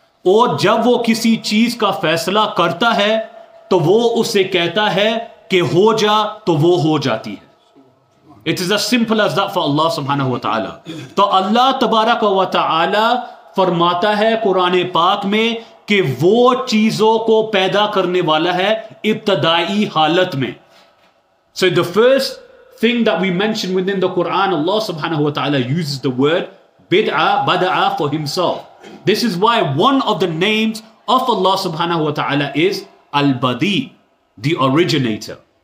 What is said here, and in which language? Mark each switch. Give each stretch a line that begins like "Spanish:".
Urdu: اور جب وہ کسی چیز کا فیصلہ کرتا ہے تو وہ اسے کہتا ہے کہ ہو جا تو وہ ہو جاتی ہے.
English: It is as simple as that for Allah subhanahu wa ta'ala.
Urdu: تو اللہ تبارک و تعالی فرماتا ہے قرآن پاک میں کہ وہ چیزوں کو پیدا کرنے والا ہے ابتدائی حالت میں.
English: So the first thing that we mention within the Quran, Allah subhanahu wa ta'ala uses the word bid'a for himself. This is why one of the names of Allah subhanahu wa ta'ala is Al-Badi, the originator.